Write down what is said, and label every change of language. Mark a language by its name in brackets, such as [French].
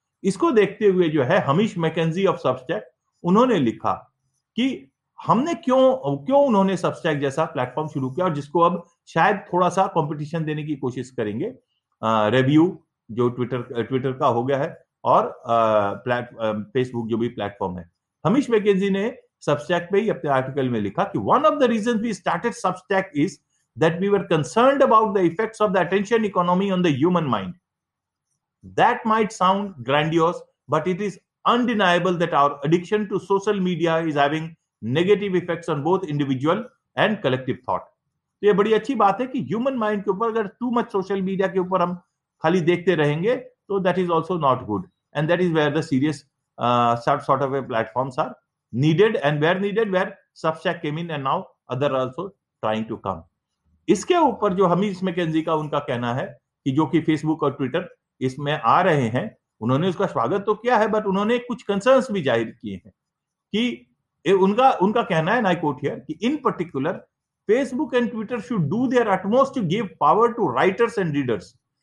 [Hindi] इसको देखते हुए जो है हमिश मैकेंजी ऑफ सबस्टैक, उन्होंने लिखा कि हमने क्यों उन्होंने सबस्टैक जैसा प्लेटफॉर्म शुरू किया और जिसको अब शायद थोड़ा सा कॉम्पिटिशन देने की कोशिश करेंगे रेव्यू जो ट्विटर का हो गया है और फेसबुक जो भी प्लेटफॉर्म है। हमिश मैकेंजी ने सबस्टैक पे ही अपने आर्टिकल में लिखा कि [English] One of the reason we started Substack is that we were concerned about the effects of the attention economy on the human mind. That might sound grandiose, but it is undeniable that our addiction to social media is having negative effects on both individual and collective thought. [Hindi] तो ये बड़ी अच्छी बात है कि human mind के ऊपर अगर [English] too much social media [Hindi] के ऊपर हम खाली देखते रहेंगे तो [English] that is also not good. And that is where the serious sort of a platforms are needed and where needed, where Substack came in and now other also trying to come. [Hindi] इसके ऊपर जो Hamish McKenzie का उनका कहना है कि जो कि Facebook और Twitter इसमें आ रहे हैं, उन्होंने उसका स्वागत तो किया है, बट उन्होंने कुछ कंसर्न्स भी जाहिर किए हैं कि उनका उनका कहना है, [English] I quote here, [Hindi] कि [English] In particular Facebook and Twitter should do their utmost to give power to writers and readers.